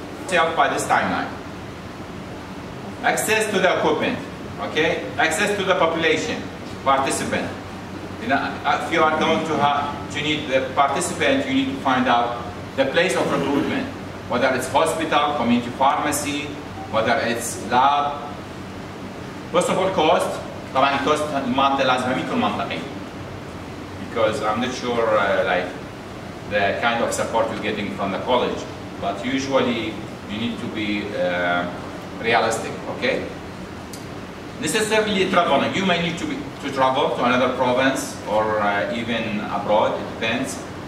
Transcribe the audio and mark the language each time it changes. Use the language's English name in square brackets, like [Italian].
[English] Self by this timeline. Access to the equipment, okay? Access to the population, participant. You know, if you are going to have to need the participant, you need to find out the place of recruitment, whether it's hospital, community pharmacy, whether it's lab. First of all, cost. [Arabic] طبعاً الكوست المنطقة لازم هم يكون منطقي. [English] Because I'm not sure like the kind of support you're getting from the college, but usually you need to be realistic, okay? Necessarily traveling, you may need to travel to another province or even abroad, it depends.